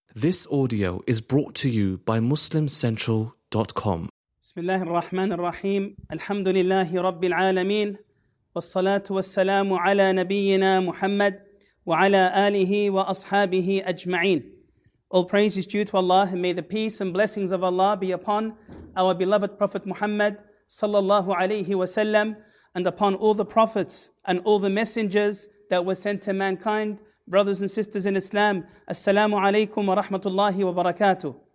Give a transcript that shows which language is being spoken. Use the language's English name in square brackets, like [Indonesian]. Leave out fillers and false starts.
[English] This audio is brought to you by MuslimCentral.com. [Arabic] بسم الله الرحمن الرحيم الحمد لله رب العالمين والصلاة والسلام على نبينا محمد وعلى آله وأصحابه أجمعين. [English] All praise is due to Allah and may the peace and blessings of Allah be upon our beloved Prophet Muhammad صلى الله عليه وسلم and upon all the prophets and all the messengers that were sent to mankind. Brothers and sisters in Islam, Assalamu alaikum wa rahmatullahi wa barakatuh.